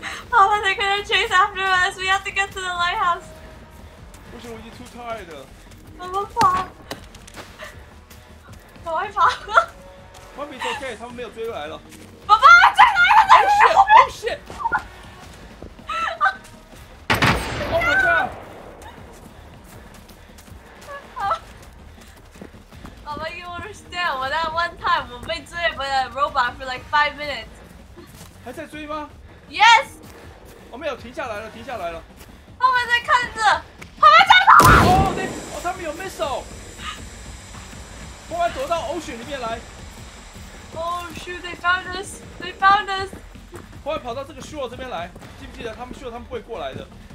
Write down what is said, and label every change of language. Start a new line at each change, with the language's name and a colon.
Chinese: 好了
English: ，They're gonna chase after us. We have to get to the lighthouse.
Chinese: 不行，我已经
English: too tired
Chinese: 了。怎么跑？赶快跑！外面 OK， 他们没有追来了。爸爸，在哪里？在后面。
English: Oh shit! Oh my god!
Chinese: 好，爸爸
English: ，You understand? 我 that one time
Chinese: 我被追
English: by the robot for like 5 minutes.
Chinese: 还在追吗
English: ？Yes。
Chinese: 哦，没有，停下来了，停下来了。他们在看着，他们在跑。哦，对，哦，他们有 missile。快躲到 Ocean 里面来。
English: Oh shoot! They found us! They found us!
Chinese: 快跑到这个 shore 这边来，记不记得他们 shore 他们不会过来的。